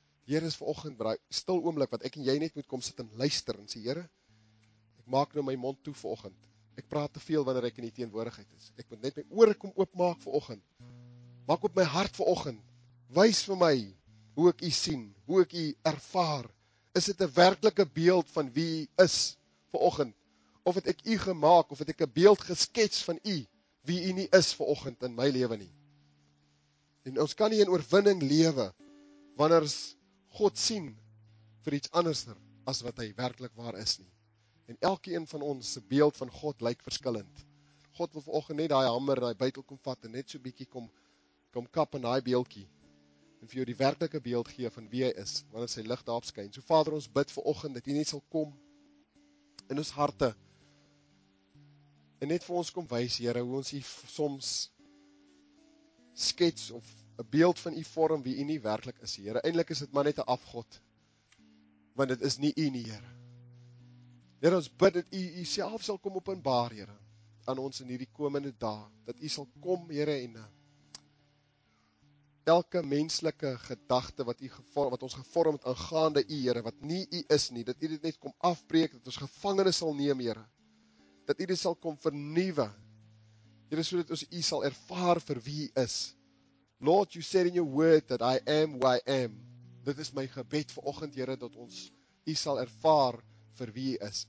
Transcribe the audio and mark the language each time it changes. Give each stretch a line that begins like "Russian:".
Afrikaans: Here is vanoggend, stil oomblik, wat ek en jy net moet kom sit en luister, en sê, Here, ek maak nou my mond toe vanoggend, ek praat te veel wanneer ek in die teenwoordigheid is, ek moet net my ore kom oopmaak vanoggend, maak op my hart vanoggend, wys vir my, hoe ek u sien, hoe ek u ervaar, is dit 'n werklike beeld van wie is vanoggend, of het ek u gemaak, of het ek 'n beeld geskets van u, wie u nie is vanoggend in my lewe nie. En ons kan nie in oorwinning lewe, wanneer God sien vir iets anderser, as wat hy werklik waar is nie. En elke een van ons, se beeld van God lyk verskillend. God wil vanoggend net die hamer, die buitel kom vat, en net so bykie kom kap in die beeldkie, en vir jou die werklike beeld gee van wie hy is, wanneer sy lig daarop skyn. So Vader, ons bid vir oggend dat U net sal kom in ons harte en net vir ons kom wys, Here, hoe ons U soms skets of 'n beeld van U vorm wie U nie werklik is, Here. Eindelik is dit maar net 'n afgod, want dit is nie U nie, Here. Here, ons bid dat U Uself sal kom openbaar, Here, aan ons in hierdie komende dae, dat U sal kom, Here, en elke menslike gedagte wat U gevorm, wat ons gevorm het aangaande U, Here, wat nie U is nie, dat U dit net kom afbreek, dat ons gevangenes sal neem, Here, dat U dit sal kom vernuwe, Here, so dat ons U sal ervaar vir wie U is.
English: Lord, You said in Your word that I am who I am.
Afrikaans: Dit is my gebed vir oggend, Here, dat ons U sal ervaar vir wie U is.